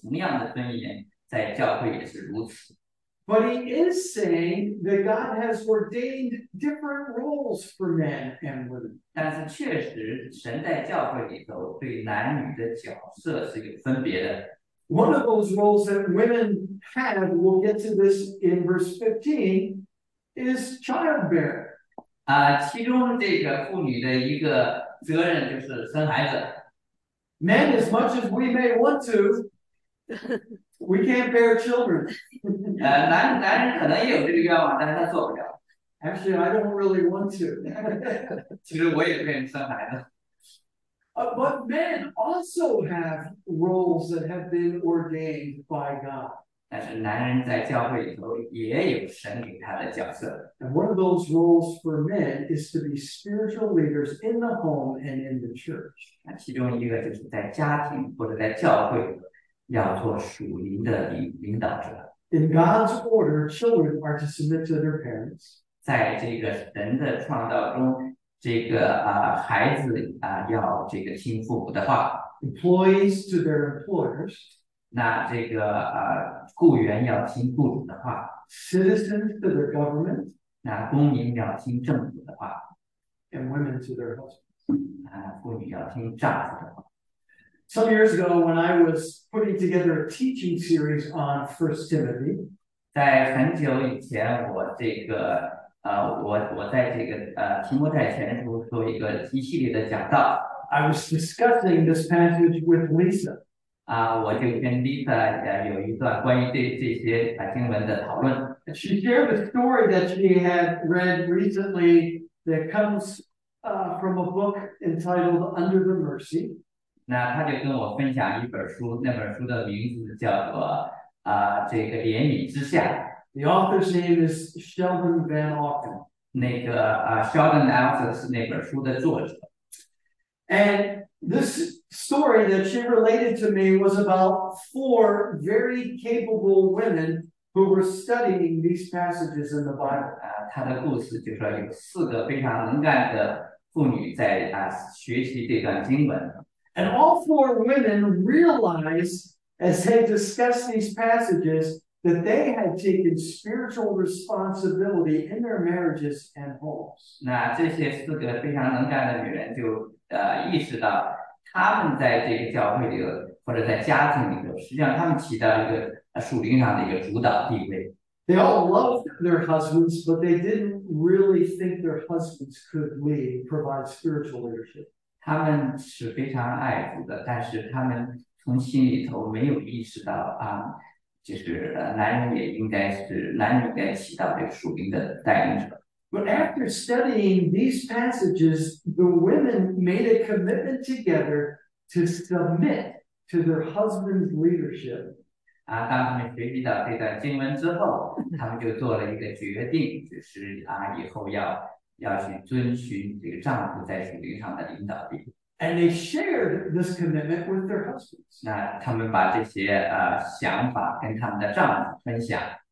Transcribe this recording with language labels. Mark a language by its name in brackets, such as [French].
[Chinese] 那在神的眼中是有同样的尊严，在教会也是如此。 [English] But he is saying that God has ordained different roles for men and women. [Chinese] 但是确实，神在教会里头对男女的角色是有分别的。 [English] One of those roles that women have, we'll get to this in verse 15, is childbearing. [Chinese] 其中这个妇女的一个责任就是生孩子。 [English] Men, as much as we may want to, we can't bear children. [Chinese] 男人可能也有这个愿望，但是他做不了。 [English] Actually, I don't really want to. [Chinese] 其实我也不愿意生孩子。 [English] But men also have roles that have been ordained by God. [Chinese] 但是男人在教会里头也有神给他的角色。 [English] And one of those roles for men is to be spiritual leaders in the home and in the church. [Chinese] 那其中一个就是在家庭或者在教会要做属灵的领导者。 [English] In God's order, children are to submit to their parents. [Chinese] 在这个神的创造中，这个孩子要这个听父母的话。 [English] Employees to their employers. [Chinese] 那这个雇员要听雇主的话， [English] Citizens to their government. [Chinese] 那公民要听政府的话， [English] And women to their husbands. [Chinese] 妇女要听丈夫的话。 [English] Some years ago, when I was putting together a teaching series on 1 Timothy, [Chinese] 在很久以前，我这个我在这个题目在前头做一个一系列的讲道。 [English] I was discussing this passage with Lisa. [Chinese] 我就跟 Lisa 有一段关于这些经文的讨论。 [English] And she shared a story that she had read recently that comes from a book entitled Under the Mercy. [Chinese] 那他就跟我分享一本书，那本书的名字叫做这个怜悯之下。 [English] The author's name is Sheldon Van Auken. [Chinese] 那个Sheldon Alexis 是那本书的作者。 [English] And this story that she related to me was about four very capable women who were studying these passages in the Bible. [Chinese] 他的故事就说有四个非常能干的妇女在学习这段经文。 [English] And all four women realized as they discussed these passages that they had taken spiritual responsibility in their marriages and homes. [Chinese] 那这些四个非常能干的女人就意识到，她们在这个教会里头或者在家庭里头，实际上她们起到一个属灵上的一个主导地位。 [English] They all loved their husbands, but they didn't really think their husbands could lead, provide spiritual leadership. [Chinese] 她们是非常爱主的，但是她们从心里头没有意识到就是男人应该起到这个属灵的带领者。 [English] But after studying these passages, the women made a commitment together to submit to their husband's leadership. [Chinese] 当他们学习到这段经文之后，他们就做了一个决定，就是以后要去遵循这个丈夫在属灵上的领导力。 [English] And they shared this commitment with their husbands. [Chinese] 那他们把这些想法跟他们的丈夫分享。